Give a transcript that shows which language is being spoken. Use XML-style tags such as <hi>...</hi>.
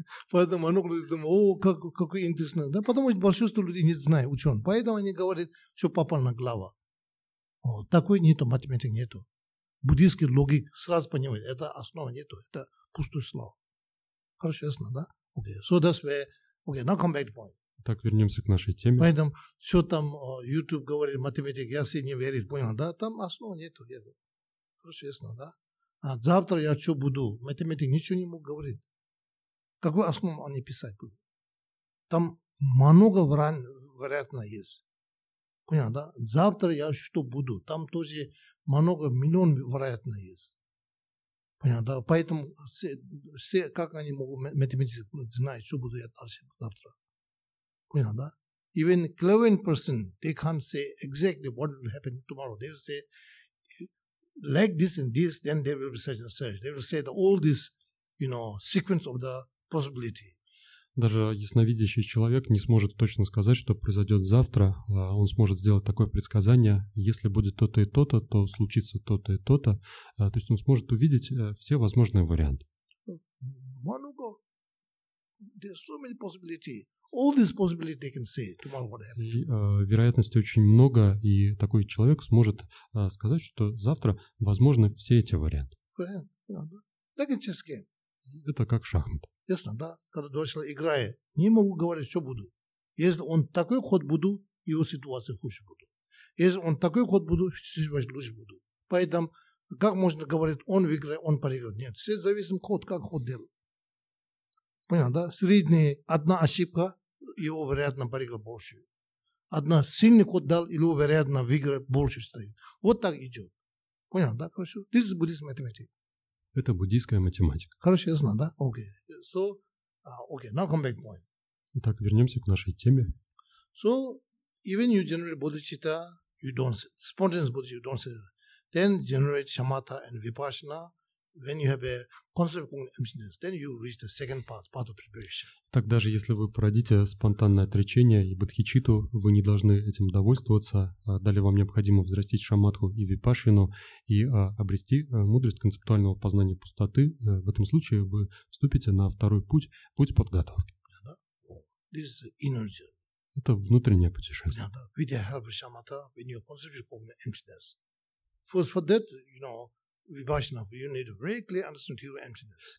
<ru>Поэтому они говорят, о, какой интересный. Да, потому что большинство людей не знают ученых. Поэтому они говорят, что попал на глава. О, такой нету, математики нету. Буддийский логик сразу понимает, это основа нету, это пустое слово. Хорошо, ясно, да?</ru> <en>Okay, so that's where, okay, now come back to point.</en> <ru>Так, вернемся к нашей теме. Поэтому все там, YouTube говорит, математик, я себе не верю, понял, да? Там основа нету. Хорошо, ясно, да? А завтра я что буду? Математик ничего не мог говорить. Какую основу они писать будут? Там много вероятно есть. Понятно, да? Завтра я что буду? Там тоже много, миллион вероятно есть. Понятно, да? Поэтому все как они могут математически знать, что буду я дальше завтра? Понятно, да?</ru> <en>Even clever person, they can't say exactly what will happen tomorrow. They will say like this and this, then there will be such and such. They will say that all this, you know, sequence of the possibility.</en> <ru>Даже ясновидящий человек не сможет точно сказать, что произойдет завтра. Он сможет сделать такое предсказание, если будет то-то и то-то, то случится то-то и то-то. То есть он сможет увидеть все возможные варианты. Много.</ru> <en>There are so many possibilities. All these possibilities they can say tomorrow what happened.</en> <ru>Вероятности очень много, и такой человек сможет сказать, что завтра возможны все эти варианты.</ru> <en>Like a chess game.</en> <ru>Это как шахмат. Ясно, да? Когда человек играет, не могу говорить, что буду. Если он такой ход буду, его ситуация хуже буду. Если он такой ход буду, ситуация лучше буду. Поэтому, как можно говорить, он выиграет, он проиграет. Нет, все зависит от ход, как ход делает. Понятно, да? Средняя, одна ошибка, его вероятно проиграет больше. Одна сильный ход дал, его вероятно выиграет больше стоит. Вот так идет. Понятно, да? Хорошо?</ru> <en>This is Buddhist mathematics.</en> <ru>Это буддийская математика. Хорошо, я знаю, да? Окей.</ru> <en>So, okay, now come back point.</en> <ru>Итак, вернемся к нашей теме.</ru> <en>So, even you generate bodhicitta, you don't spontaneous bodhicitta, you don't say. Then generate shamatha and vipassana. When you have a concept of emptiness, then you reach the second part, part of preparation.</en> <ru>Так даже если вы породите спонтанное отречение и бодхичитту, вы не должны этим довольствоваться. Далее вам необходимо взрастить шаматху и випашвину и обрести мудрость концептуального познания пустоты. В этом случае вы вступите на второй путь, путь подготовки.</ru> <en>This is inner journey.</en> <ru>Это внутреннее путешествие.</ru> <en>With the help of shamatha, when you concept of emptiness. For that, you know, Vipassana, you need to very clearly understand your emptiness.</en>